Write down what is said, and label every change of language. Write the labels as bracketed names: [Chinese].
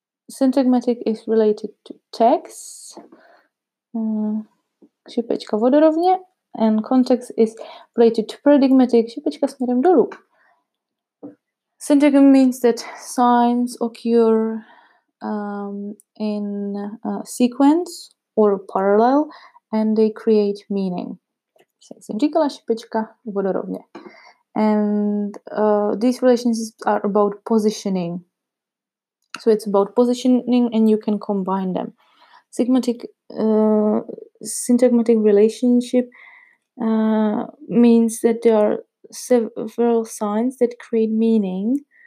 [English] Syntagmatic is related to text, [Czech] šipečka vodorovně, [English] and context is related to paradigmatic, [Czech] šipečka směrem dolů. [English] Syntagm means that signs occur in sequence or parallel, and they create meaning. [Czech] Říkala šipečka vodorovně. [English] And these relationships are about positioning. So it's about positioning, and you can combine them. Syntagmatic relationship means that there are several signs that create meaning.